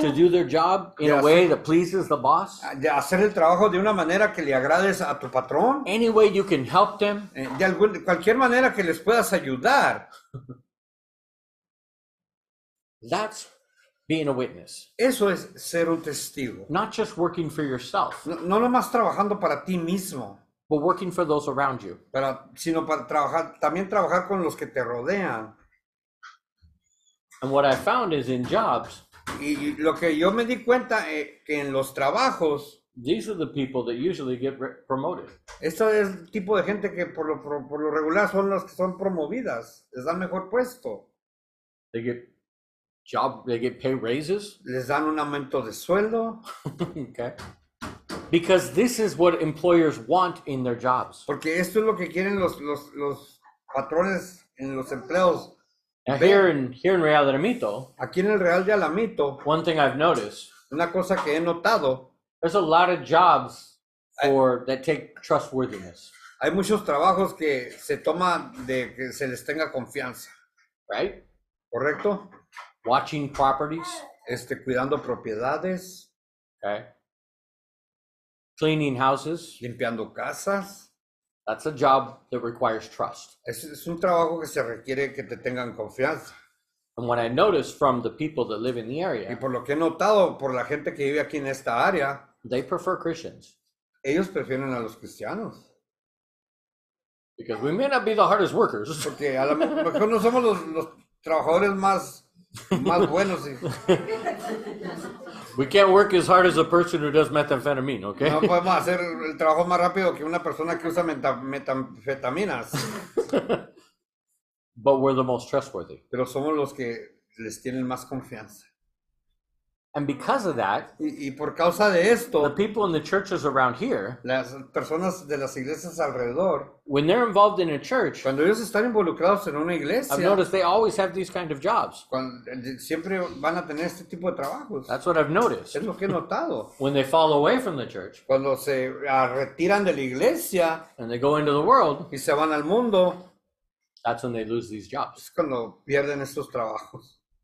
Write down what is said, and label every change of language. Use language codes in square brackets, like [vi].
[en] To do their job in a way that pleases the boss. [es] De hacer el trabajo de una manera que le agrades a tu patrón. [en] Any way you can help them. [es] De cualquier manera que les puedas ayudar. [en] That's being a witness. [es] Eso es ser un testigo. [en] Not just working for yourself. [es] No nomás trabajando para ti mismo. [en] But working for those around you. [es] Sino para trabajar, también trabajar con los que te rodean. [en] And what I found is in jobs. [es] Y lo que yo me di cuenta es que en los trabajos. [en] These are the people that usually get promoted. [es] Este es el tipo de gente que por lo regular son las que son promovidas. Les dan mejor puesto. [en] They get pay raises. [es] Les dan un aumento de sueldo. [en] Okay. Because this is what employers want in their jobs. [es] Porque esto es lo que quieren los patrones en los empleos. [en] Now, here in Real de Alamito. [es] Aquí en el Real de Alamito. [en] One thing I've noticed. [es] Una cosa que he notado. [en] There's a lot of jobs that take trustworthiness. [es] Hay muchos trabajos que se toma de que se les tenga confianza. [en] Right? [es] Correcto. [en] Watching properties. [es] Cuidando propiedades. [en] Okay. Cleaning houses. [es] Limpiando casas. [en] That's a job that requires trust. [es] Es un trabajo que se requiere que te tengan confianza. [en] And what I noticed from the people that live in the area. [es] Y por lo que he notado por la gente que vive aquí en esta área. [en] They prefer Christians. [es] Ellos prefieren a los cristianos. [en] Because we may not be the hardest workers. [es] Porque a lo mejor no somos los trabajadores más buenos. [en] We can't work as hard as a person who does methamphetamine, okay? [es] No podemos hacer el trabajo más rápido que una persona que usa metanfetaminas. [en] But we're the most trustworthy. [es] Pero somos los que les tienen más confianza. [en] And because of that, [es] y por causa de esto, [en] the people in the churches around here, [es] las personas de las iglesias alrededor, [en] when they're involved in a church, [es] cuando ellos están involucrados en una iglesia, [en] I've noticed they always have these kind of jobs. [es] Siempre van a tener este tipo de trabajos. [en] That's what I've noticed. [es] Es lo que he notado. [en] When they fall away from the church, [es] cuando se retiran de la iglesia, [en] and they go into the world, [es] y se van al mundo, [en] that's when they lose these jobs. [es] Es cuando pierden estos trabajos.